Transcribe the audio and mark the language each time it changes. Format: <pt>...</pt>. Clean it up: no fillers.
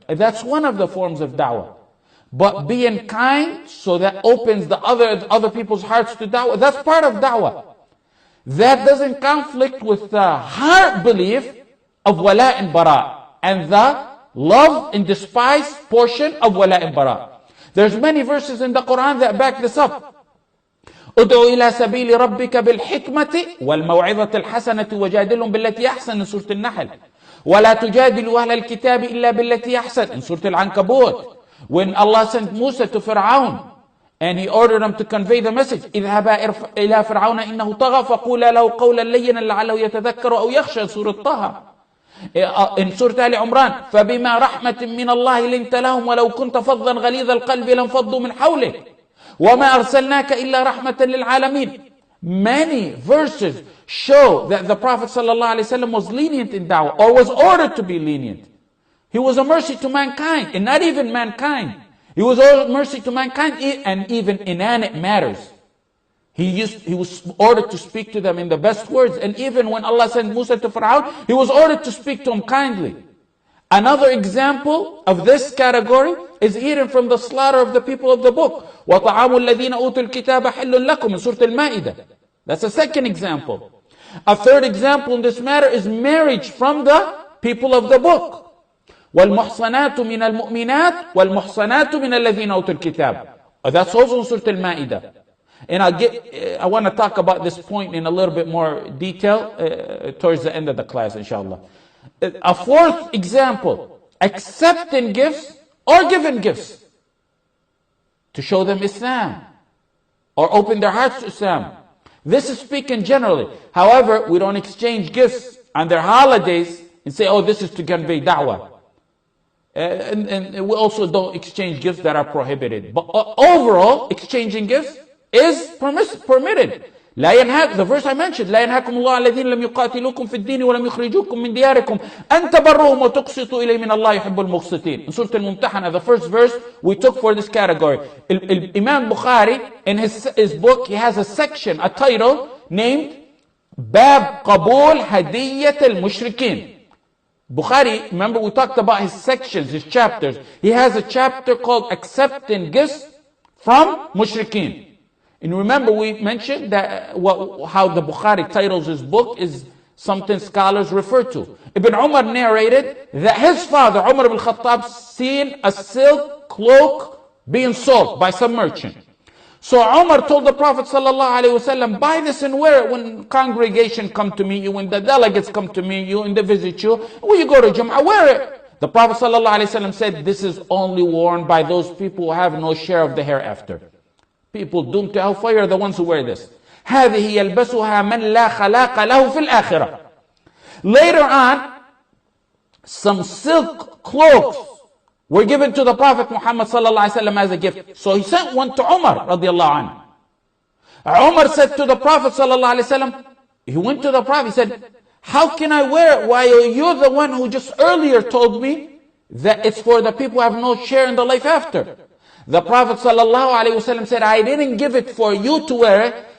<en>That's one of the forms of da'wah. But being kind so that opens the other people's hearts to da'wah, that's part of da'wah. That doesn't conflict with the heart belief of wala and bara. And the love and despise portion of wala and bara. There's many verses in the Quran that back this up.</en> <ar>ادعوا إلى سبيل ربك بالحكمة والموعظة الحسنة وجادلهم بالتي أحسن من سورة النحل ولا تجادلوا أهل الكتاب إلا بالتي أحسن من سورة العنكبوت. When Allah sent Musa to Fir'aun and he ordered him to convey the message, اذهبا إلى فرعون إنه طغى فقولا له قولا لينا لعله يتذكر أو يخشى سورة طه. In Surah Ali Imran, فَبِمَا رَحْمَةٍ مِّنَ اللَّهِ لِنْتَ لَهُمْ وَلَوْ كُنْتَ فَضًّا غَلِيظَ الْقَلْبِ لَنْفَضُّوا مِنْ حَوْلِكَ وَمَا أَرْسَلْنَاكَ إِلَّا رَحْمَةً لِلْعَالَمِينَ.</ar> <en>Many verses show that the Prophet ﷺ was lenient in da'wah, or was ordered to be lenient. He was a mercy to mankind, and not even mankind. He was a mercy to mankind, and even inanimate matters. He was ordered to speak to them in the best words. And even when Allah sent Musa to Fir'aun, he was ordered to speak to him kindly. Another example of this category is hidden from the slaughter of the people of the book.</en> <ar>وَطَعَامُ الَّذِينَ أُوتُوا الْكِتَابَ حِلٌّ لَكُمْ in Surah Al-Ma'idah.</ar> <en>That's a second example. A third example in this matter is marriage from the people of the book.</en> <ar>وَالْمُحْصَنَاتُ مِنَ الْمُؤْمِنَاتُ وَالْمُحْصَنَاتُ مِنَ الَّذِينَ أُوتُوا الْكِتَابَ.</ar> <en>That's also in Surah Al-Ma'idah. And I want to talk about this point in a little bit more detail towards the end of the class, inshallah. A fourth example, accepting gifts or giving gifts to show them Islam or open their hearts to Islam. This is speaking generally. However, we don't exchange gifts on their holidays and say, oh, this is to convey da'wah. And we also don't exchange gifts that are prohibited. But overall, exchanging gifts is permitted.</en> <ar>لا ينهاك, the verse I mentioned, لا ينهاكم الله الذين لم يقاتلوكم في الدين ولم يخرجوكم من دياركم أن تبروهم وتقسطوا إليه من الله يحب المقسطين.</ar> <en>In Surah Al-Mumtahana, the first verse we took for this category. Imam Bukhari, in his book, he has a section, a title, named Bab Qabul Hadiyat al-Mushrikeen. Bukhari, remember we talked about his sections, his chapters. He has a chapter called Accepting Gifts from Mushrikeen. And remember, we mentioned that how the Bukhari titles his book is something scholars refer to. Ibn Umar narrated that his father, Umar ibn Khattab, seen a silk cloak being sold by some merchant. So Umar told the Prophet sallallahu alaihi wasallam, buy this and wear it when congregation come to meet you, when the delegates come to meet you and they visit you. When you go to Jum'ah, wear it. The Prophet sallallahu alaihi wasallam said, this is only worn by those people who have no share of the hereafter. People doomed to hellfire are the ones who wear this.</en> <ar>هذه يلبسها من لا خلاق له في الآخرة.</ar> <en>Later on, some silk cloaks were given to the Prophet Muhammad sallallahu alaihi wasallam as a gift. So he sent one to Umar radiallahu anhu. Umar said to the Prophet sallallahu alaihi wasallam, he went to the Prophet, he said, how can I wear it while you're the one who just earlier told me that it's for the people who have no share in the life after? The Prophet ﷺ said, I didn't give it for you to wear it,</en>